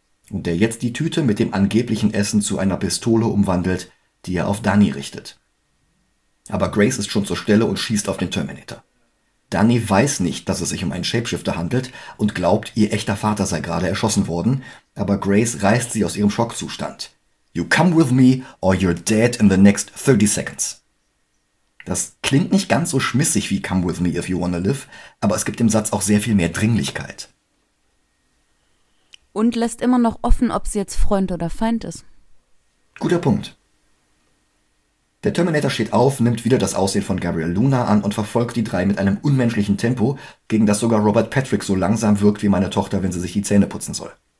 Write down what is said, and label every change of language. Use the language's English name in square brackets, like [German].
[German] Und der jetzt die Tüte mit dem angeblichen Essen zu einer Pistole umwandelt, die er auf Dani richtet. Aber Grace ist schon zur Stelle und schießt auf den Terminator. Dani weiß nicht, dass es sich um einen Shapeshifter handelt und glaubt, ihr echter Vater sei gerade erschossen worden, aber Grace reißt sie aus ihrem Schockzustand. [English] You come with me or you're dead in the next 30 seconds. [German] Das klingt nicht ganz so schmissig wie [English] come with me if you wanna live, [German] aber es gibt dem Satz auch sehr viel mehr Dringlichkeit. Und lässt immer noch offen, ob sie jetzt Freund oder Feind ist. Guter Punkt. Der Terminator steht auf, nimmt wieder das Aussehen von Gabriel Luna an und verfolgt die drei mit einem unmenschlichen Tempo, gegen das sogar Robert Patrick so langsam wirkt wie meine Tochter, wenn sie sich die Zähne putzen soll.